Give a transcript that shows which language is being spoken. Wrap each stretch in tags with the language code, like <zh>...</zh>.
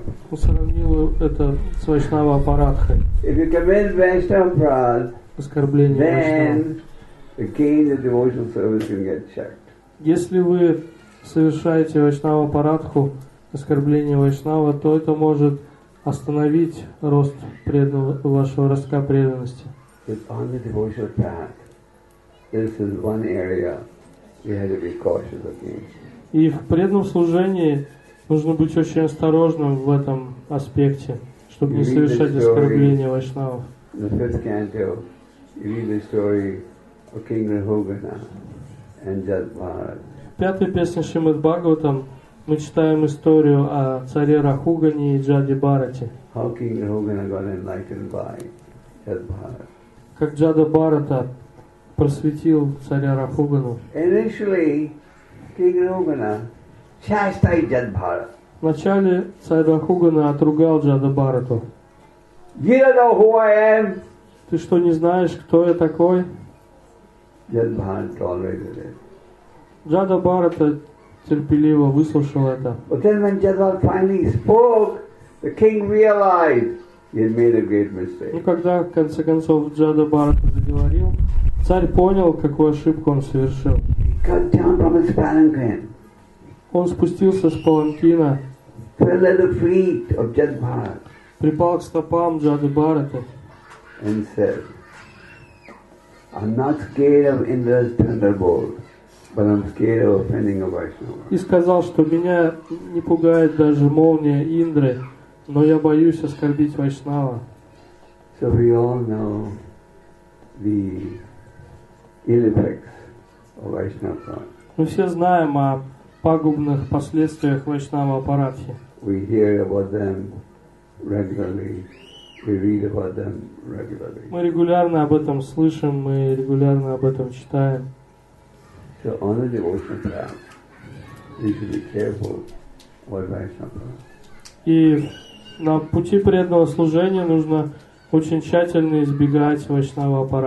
<ru>Он сравнил это с вайшнава апарадхой.</ru> <en>If you commit vaishnava apradh,</en> <ru>оскорбление</ru> <en>vaishnava, again, the devotional service can get checked.</en> <ru>Если вы совершаете вайшнава парадху, оскорбление вайшнава, то это может остановить рост вашего ростка преданности.</ru> <en>But on the devotional path, this is one area we have to be cautious against.</en> <ru>И в преданном служении нужно быть очень осторожным в этом аспекте, чтобы не совершать оскорбление вайшнава.</ru> <en>In the fifth canto, you read the story. King Rahugana and Jatvaraj.</en> <ru>В пятой песне Шримад Бхагаватам мы читаем историю о царе Рахугане и Джаде Бхарате.</ru> <en>How King Rahugana got enlightened by Jatvaraj.</en> <ru>Как Джада Бхарата просветил царя Рахугану.</ru> <en>Initially, King Rahugana chastised Jadbharata.</en> <ru>Вначале царь Рахугана отругал Джадабарату.</ru> <en>You don't know who I am?</en> <ru>Ты что, не знаешь, кто я такой?</ru> <en>Jadbharata already did it.</en> <ru>Джадабарата терпеливо выслушал это.</ru> <en>But then when Jadbharata finally spoke, the king realized. He made a great mistake.</en> <ru>Ну когда в конце концов Джадабарата заговорил, царь понял, какую ошибку он совершил.</ru> <en>He cut down from his palanquin.</en> <ru>Он спустился с паланкина.</ru> <en>Fell at the feet of Jadabharata.</en> <ru>Припал к стопам Джадабарата.</ru> <en>And said, I'm not scared of Indra's thunderbolt, but I'm scared of offending a Vaishnava.</en> <ru>И сказал, что меня не пугает даже молния Индры. Но я боюсь оскорбить Вайшнава.</ru> <en>So we all know the ill effects of Vaishnava.</en> <ru>Мы все знаем о пагубных последствиях Вайшнава Апарадхи.</ru> <en>We hear about them regularly. We read about them regularly.</en> <ru>Мы регулярно об этом слышим, мы регулярно об этом читаем.</ru> <en>So on the devotional path, we should be careful about Vaishnava.</en> <ru>И на пути преданного служения нужно очень тщательно избегать вайшнава</ru>